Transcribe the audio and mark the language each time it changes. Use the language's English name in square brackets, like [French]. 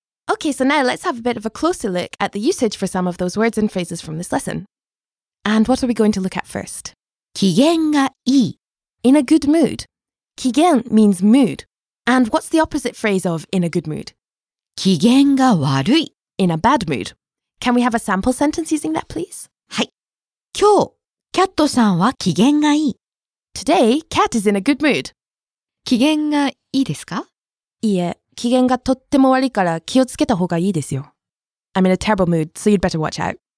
[English] Okay, so now let's have a bit of a closer look at the usage for some of those words and phrases from this lesson. And what are we going to look at first? [Japanese] 機嫌がいい。 [English] In a good mood. 機嫌 means mood. And what's the opposite phrase of in a good mood? [Japanese] 機嫌が悪い。 [English] In a bad mood. Can we have a sample sentence using that, please? [Japanese] はい。今日、キャットさんは機嫌がいい。 [English] Today, Cat is in a good mood. [Japanese] 機嫌がいいですか? いいえ、機嫌がとっても悪いから気をつけた方がいいですよ。 [English] I'm in a terrible mood, so you'd better watch out.